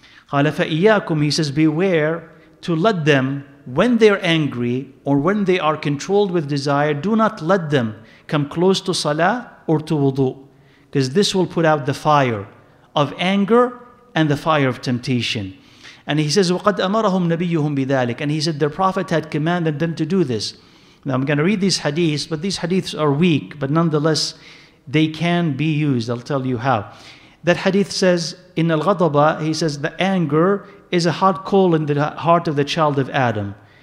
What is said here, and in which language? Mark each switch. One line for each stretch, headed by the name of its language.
Arabic: قَالَ فَإِيَّاكُمْ.
English: He says, beware to let them, when they're angry or when they are controlled with desire, do not let them come close to salah or to wudu, because this will put out the fire of anger and the fire of temptation. And he says,
Arabic: وَقَدْ أَمَرَهُمْ نَبِيُّهُمْ بِذَلِكَ.
English: And he said, their prophet had commanded them to do this. Now I'm going to read these hadiths, but these hadiths are weak, but nonetheless, they can be used. I'll tell you how. That hadith says, in al-ghadaba, he says, the anger is a hot coal in the heart of the child of Adam.